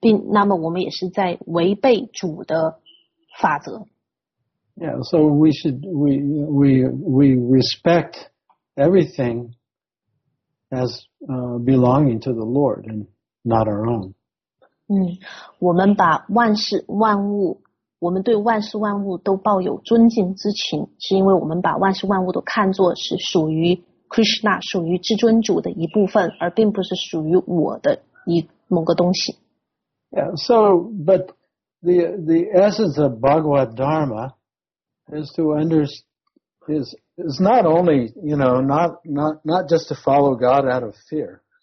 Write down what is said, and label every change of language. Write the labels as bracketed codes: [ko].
[zh] 那么我们也是在违背主的法则。 [en] Yeah, so we respect everythingas belonging to the Lord and not our own. [zh] 我们把万事万物，我们对万事万物都抱有尊敬之情，是因为我们把万事万物都看作是属于 Krishna, 属于至尊主的一部分，而并不是属于我的某个东西。 [en] Yeah, so, but the essence of Bhagavad Dharma is to understand is not only, you know, not just to follow God out of fear.